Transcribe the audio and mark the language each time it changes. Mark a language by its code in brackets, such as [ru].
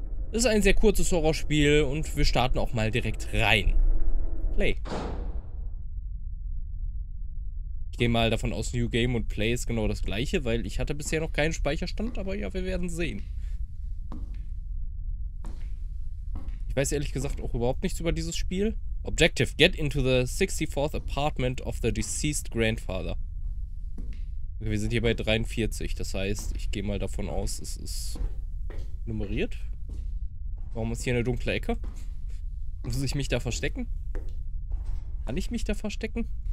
[de] Das ist ein sehr kurzes Horrorspiel und wir starten auch mal direkt rein. Play. Ich gehe mal davon aus, New Game und Play ist genau das gleiche, weil ich hatte bisher noch keinen Speicherstand, aber ja, wir werden sehen. Ich weiß ehrlich gesagt auch überhaupt nichts über dieses Spiel. [en] Objective: Get into the 64th apartment of the deceased grandfather. [de] Okay, wir sind hier bei 43, das heißt, ich gehe mal davon aus, es ist nummeriert. Warum ist hier eine dunkle Ecke? Muss ich mich da verstecken? Kann ich mich da verstecken?